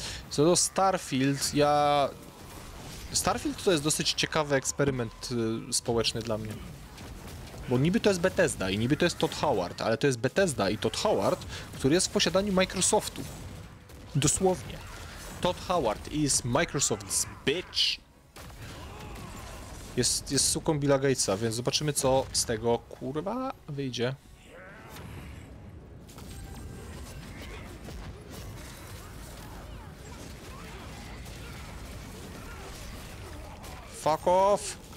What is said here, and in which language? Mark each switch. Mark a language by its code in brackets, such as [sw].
[pl] Co do Starfield, ja... Starfield to jest dosyć ciekawy eksperyment społeczny dla mnie. Bo niby to jest Bethesda i niby to jest Todd Howard, ale to jest Bethesda i Todd Howard, który jest w posiadaniu Microsoftu. Dosłownie. [en] Todd Howard is Microsoft's bitch. [pl] Jest suką Billa Gatesa, więc zobaczymy, co z tego kurwa wyjdzie. [en] Fuck off!